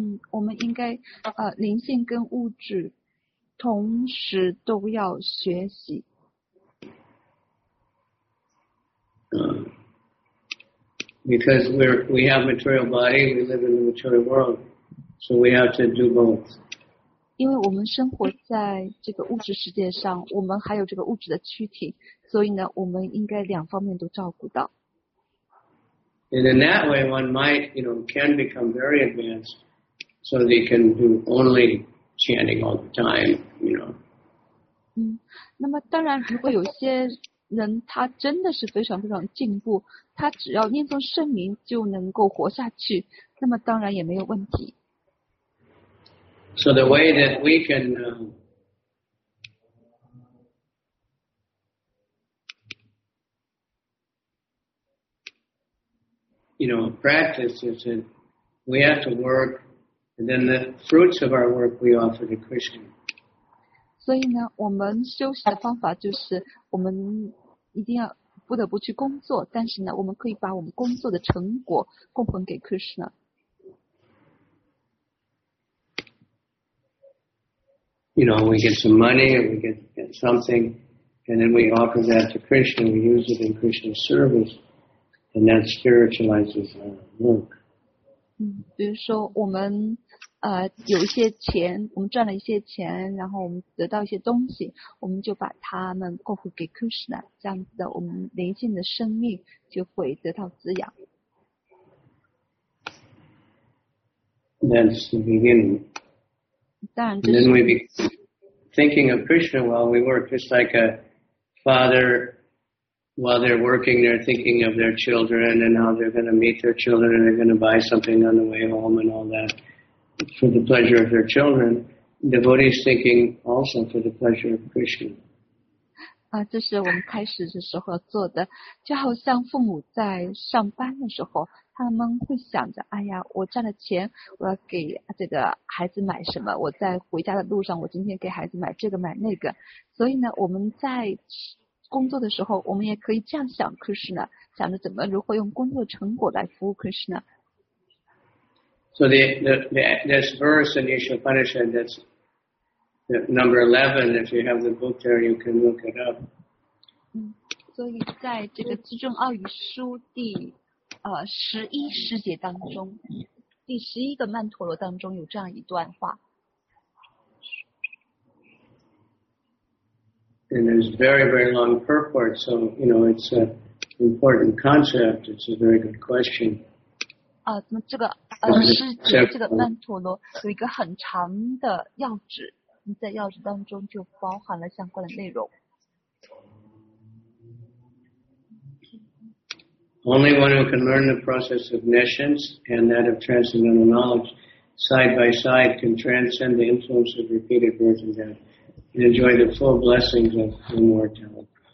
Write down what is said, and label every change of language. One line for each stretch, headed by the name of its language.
Chinese: 我们应该灵性跟物质同时都要学习。
English: Because we have material body, we live in the material world, so we have to do both.
Chinese: 因为我们生活在这个物质世界上，我们还有这个物质的躯体，所以呢，我们应该两方面都照顾到。
English: And in that way, one might, you know, can become very advanced, so they can do only chanting all the time, you know.
Chinese: 那么当然，如果有些人他真的是非常非常进步，他只要念诵圣名就能够活下去，那么当然也没有问题。
English: So the way that we can you know, practice is that we have to work, and then the fruits of our work we offer to Krishna.
Chinese: 所以呢，我们修习的方法就是我们一定要不得不去工作，但是呢，我们可以把我们工作的成果供奉给 Krishna。
English: You know, we get some money, we get something, and then we offer that to Krishna, we use it in Krishna's service, and that spiritualizes our work.
Chinese: 比如说我们有一些钱，我们赚了一些钱，然后我们得到一些东西，我们就把它们供奉给 Krishna， 这样子的，我们灵性的生命就会得到滋养。
English: That's the beginning.
Chinese: 当然就是。
English: And then we begin thinking of Krishna while we work, just like a father while they're working, they're thinking of their children and how they're going to meet their children and they're going to buy something on the way home and all that. For the pleasure of their children, devotees thinking also for the pleasure of Krishna.
Chinese: 啊，这是我们开始的时候做的，就好像父母在上班的时候，他们会想着，哎呀，我赚了钱，我要给这个孩子买什么，我在回家的路上，我今天给孩子买这个买那个。所以呢，我们在工作的时候，我们也可以这样想 Krishna， 想着怎么如何用工作成果来服务 Krishna。
English: So this verse in Ishopanishad, that's number 11. If you have the book there, you can look it up.
Chinese: 所以在这个自证奥语书第十一十节当中，第十一个曼陀罗当中有这样一段话。
English: And there's very, very long purport. So, you know, it's an important concept. It's a very good question.
Chinese: 这个师姐这个曼陀罗有一个很长的要旨，在要旨当中就包含了相关的内容。
English: Only one who can learn the process of nescience and that of transcendental knowledge side by side can transcend the influence of repeated birth and death and enjoy the full blessings of immortality.